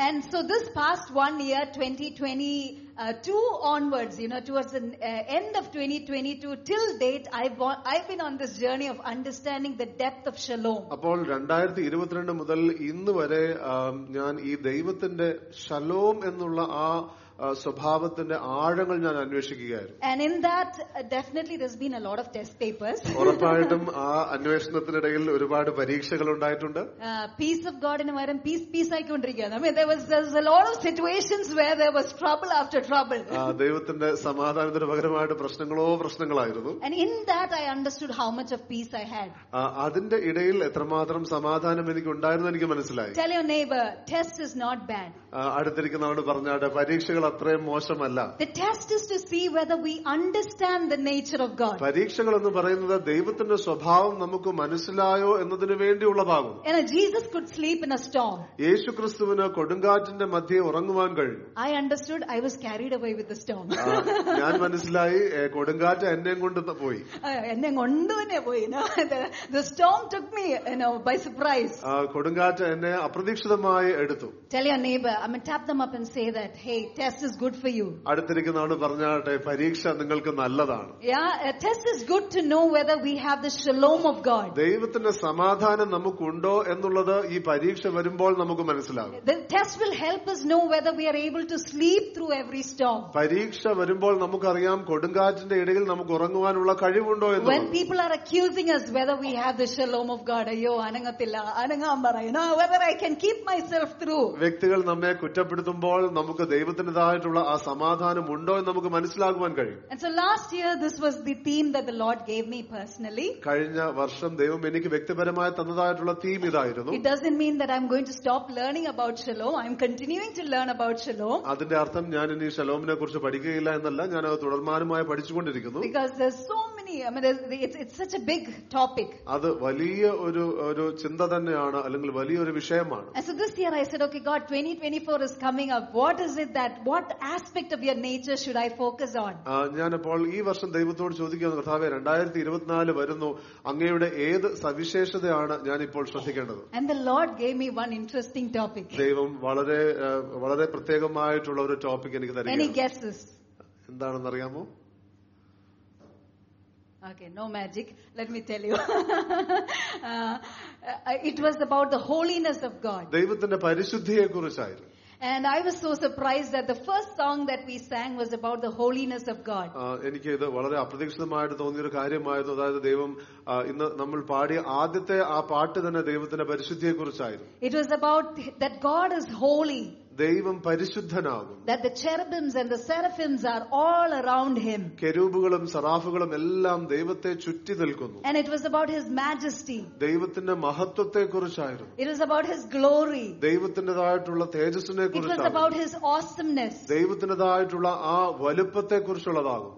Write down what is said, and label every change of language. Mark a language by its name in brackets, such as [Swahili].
[English] And so this past one year 2022 onwards, you know, towards the end of 2022 till date, I've been on this journey of understanding the depth of shalom. [Malayalam] അപ്പോൾ 2022 മുതൽ ഇന്ന് വരെ ഞാൻ ഈ ദൈവത്തിന്റെ shalom എന്നുള്ള ആ സ്വഭാവത്തിന്റെ ആഴങ്ങൾ ഞാൻ അന്വേഷിക്കുകയായിരുന്നു. [English] And in that definitely there's been a lot of test papers. [Malayalam] ഉറപ്പായിട്ടും ആ അന്വേഷണത്തിനിടയിൽ ഒരുപാട് പരീക്ഷകൾ ഉണ്ടായിട്ടുണ്ട്. [English] Peace of God in my peace peace [Malayalam] ആയിക്കൊണ്ടിരിക്കുകയാണ്. [English] I mean there's a lot of situations where there was trouble after trouble. [Malayalam] ദൈവത്തിന്റെ സമാധാനത്തിന് പകരമായിട്ട് പ്രശ്നങ്ങളോ പ്രശ്നങ്ങളായിരുന്നു. [English] And in that I understood how much of peace I had. [Malayalam] അതിന്റെ ഇടയിൽ എത്രമാത്രം സമാധാനം എനിക്കുണ്ടായിരുന്നു എനിക്ക് മനസ്സിലായി. [English] Tell your neighbor, test is not bad. [Malayalam] അടുത്തിരിക്കുന്നവരോട് പറഞ്ഞാട്ടെ, പരീക്ഷകൾ അത്രയും മോശമല്ല. [English] The test is to see whether we understand the nature of God. [Malayalam] പരീക്ഷകൾ എന്ന് പറയുന്നത് ദൈവത്തിന്റെ സ്വഭാവം നമുക്ക് മനസ്സിലായോ എന്നതിനു വേണ്ടിയുള്ളതാകും. [English] And Jesus could sleep in a storm. [Malayalam] യേശു ക്രിസ്തുവിന് കൊടുങ്കാറ്റിന്റെ മധ്യേ ഉറങ്ങുവാൻ കഴിഞ്ഞു. [English] I understood I was carried away with the storm. [Malayalam] ഞാൻ മനസ്സിലായി കൊടുങ്കാറ്റ് എന്നെയും കൊണ്ട് പോയി. എന്നെ കൊണ്ട് തന്നെ പോയി. [English] The storm took me, you know, by surprise. [Malayalam] കൊടുങ്കാറ്റ് എന്നെ അപ്രതീക്ഷിതമായി എടുത്തു. [English] Tell your neighbor, I'm going to tap them up and say that, hey, test is good for you. [Malayalam] അടുത്തിരിക്കുന്നവരോട് പറഞ്ഞാട്ടെ, പരീക്ഷ നിങ്ങൾക്ക് നല്ലതാണ്. [English] Yeah, test is good to know whether we have the shalom of God. [Malayalam] ദൈവത്തിന്റെ സമാധാനം നമുക്കുണ്ടോ എന്നുള്ളത് ഈ പരീക്ഷ വരുമ്പോൾ നമുക്ക് മനസ്സിലാകും. [English] The test will help us know whether we are able to sleep through every storm. [Malayalam] പരീക്ഷ വരുമ്പോൾ നമുക്കറിയാം കൊടുങ്കാറ്റിന്റെ ഇടയിൽ നമുക്ക് ഉറങ്ങുവാനുള്ള കഴിവുണ്ടോ എന്ന്. [English] When people are accusing us whether we have the shalom of God, [Malayalam] ayyo anangathilla anangaa parayna, [English] whether I can keep myself through. [Malayalam] വ്യക്തികൾ നമ്മെ കുറ്റപ്പെടുത്തുമ്പോൾ നമുക്ക് ദൈവത്തിനേതായിട്ടുള്ള ആ സമാധാനം ഉണ്ടോ എന്ന് നമുക്ക് മനസ്സിലാക്കുവാൻ കഴിയും. [English] And so last year this was the theme that the Lord gave me personally. [Malayalam] കഴിഞ്ഞ വർഷം ദൈവം എനിക്ക് വ്യക്തിപരമായി തന്നതായിട്ടുള്ള തീം ഇതായിരുന്നു. [English] It doesn't mean that I'm going to stop learning about shalom. I'm continuing to learn about shalom. [Malayalam] അതിന്റെ അർത്ഥം ഞാൻ ഇനി ഷലോമിനെ കുറിച്ച് പഠിക്കുകയില്ല എന്നല്ല, ഞാൻ അത് തുടർമാനമായി പഠിച്ചുകൊണ്ടിരിക്കുന്നു. [English] Because there's so many, it's such a big topic. [Malayalam] അത് വലിയ ഒരു ചിന്ത തന്നെയാണ്, അല്ലെങ്കിൽ വലിയൊരു വിഷയമാണ്. [English] And so this year I said, okay, God, 2024 is coming up. What is it that, what aspect of your nature should I focus on? [Malayalam] ഞാൻ ഇപ്പോൾ ഈ വർഷം ദൈവത്തോട് ചോദിക്കുകയാണ്, കർത്താവേ 2024 വരുന്നു, അങ്ങയുടെ ഏത് സവിശേഷതയാണ് ഞാൻ ഇപ്പോൾ ശ്രദ്ധിക്കേണ്ടത്? [English] And the Lord gave me one interesting topic. [Malayalam] ദൈവം വളരെ വളരെ പ്രത്യേകമായിട്ടുള്ള ഒരു ടോപ്പിക് എനിക്ക് തരികയാണ്. [English] Any guesses? [Malayalam] എന്താണെന്ന് അറിയാമോ? [English] Okay, no magic, let me tell you. It was about the holiness of God. [Malayalam] ദൈവത്തിന്റെ പരിശുദ്ധിയെ കുറിച്ചായിരുന്നു. [English] And I was so surprised that the first song that we sang was about the holiness of God. [Malayalam] എനിക്ക് ഇത് വളരെ അപ്രതീക്ഷിതമായിട്ട് തോന്നിയ ഒരു കാര്യമായിരുന്നു. അതായത് ദൈവം ഇന്ന് നമ്മൾ പാടിയ ആദ്യത്തെ ആ പാട്ട് തന്നെ ദൈവത്തിന്റെ പരിശുദ്ധിയെ കുറിച്ചായിരുന്നു. [English] It was about that God is holy. [Malayalam] ദൈവം പരിശുദ്ധനാകും. [English] That the cherubims and the seraphims are all around him. [Malayalam] കെരൂബുകളും സറാഫുകളും എല്ലാം ദൈവത്തെ ചുറ്റി നിൽക്കുന്നു. [English] And it was about his majesty. [Malayalam] ദൈവത്തിന്റെ മഹത്വത്തെ കുറിച്ചായിരുന്നു. [English] It was about his glory. [Malayalam] ദൈവത്തിന്റേതായിട്ടുള്ള തേജസ്സിനെ കുറിച്ചാണ്. [English] It was about his awesomeness. [Malayalam] ദൈവത്തിന്റേതായിട്ടുള്ള ആ വലുപ്പത്തെ കുറിച്ചുള്ളതാകും.